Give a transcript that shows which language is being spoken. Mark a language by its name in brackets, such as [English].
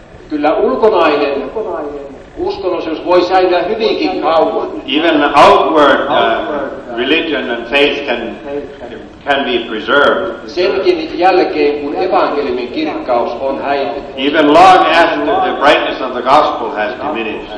[Finnish] Kyllä ulkonainen uskonnollisuus voi säilyä hyvinkin kauan. [English] Even outward religion and faith can be preserved. [Finnish] Senkin jälkeen, kun evankeliumin kirkkaus on häipynyt. [English] Even long after the brightness of the gospel has diminished.